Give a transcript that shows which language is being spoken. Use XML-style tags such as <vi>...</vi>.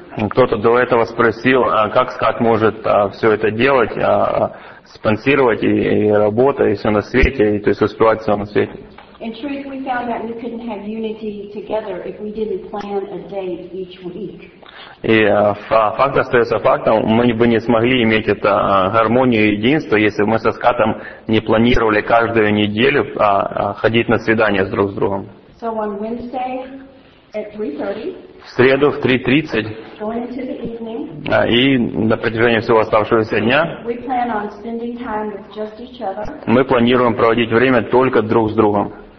<ru>Кто-то до этого спросил, как Скат может все это делать, спонсировать и работа, и все на свете, и то есть успевать все на свете.</ru> <en>In truth, we found out we couldn't have unity together if we didn't plan a date each week.</en> <ru>И факт остается фактом, мы бы не смогли иметь это гармонию и единство, если бы мы со Скатом не планировали каждую неделю ходить на свидания друг с другом.</ru> <en>So on Wednesday at 3:30.</en> <ru>В среду в 3:30 и на протяжении всего оставшегося дня мы планируем проводить время только друг с другом.</ru>